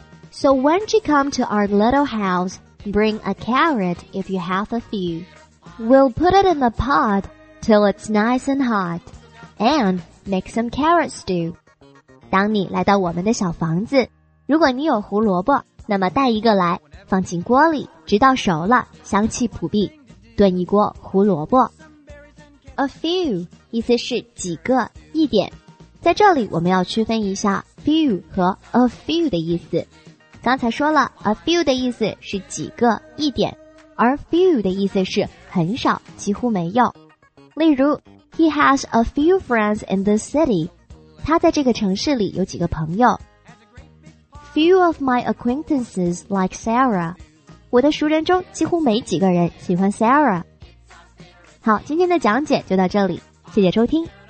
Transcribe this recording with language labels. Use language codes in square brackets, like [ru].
[en] So when she come to our little house, Bring a carrot if you have a few. We'll put it in the pot till it's nice and hot. And make some carrot stew. [zh] 当你来到我们的小房子，如果你有胡萝卜，那么带一个来，放进锅里，直到熟了，香气扑鼻。炖一锅胡萝卜。 A few, 意思是几个，一点。在这里我们要区分一下 few 和 a few 的意思。刚才说了 a few 的意思是几个，一点，而 few 的意思是很少，几乎没有。例如 [en] He has a few friends in this city. [zh] 他在这个城市里有几个朋友。 [en] Few of my acquaintances like Sarah. [zh] 我的熟人中几乎没几个人喜欢 Sarah。好，今天的讲解就到这里，谢谢收听。